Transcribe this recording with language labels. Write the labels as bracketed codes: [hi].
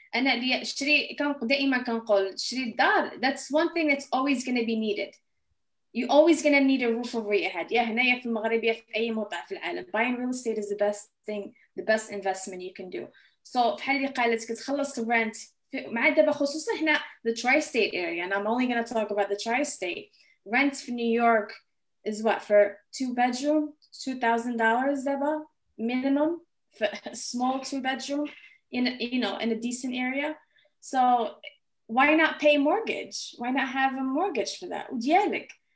[ar] أنا اللي شري كان دائما كان قول شري الدار. [en] That's one thing that's always gonna be needed. You always gonna need a roof over your head. [ar] Yeah, هنايا في المغرب يا في أي موضع في العالم. [en] Buying real estate is the best thing, the best investment you can do. [ar] So في حالي قالت كتخلص rent مع دابا خصوصا هنا [en] the tri-state area. And I'm only gonna talk about the tri-state. Rent في New York is what for two bedroom $2,000 دابا minimum for small two bedroom. In a decent area. So why not pay mortgage? Why not have a mortgage for that? Yeah, like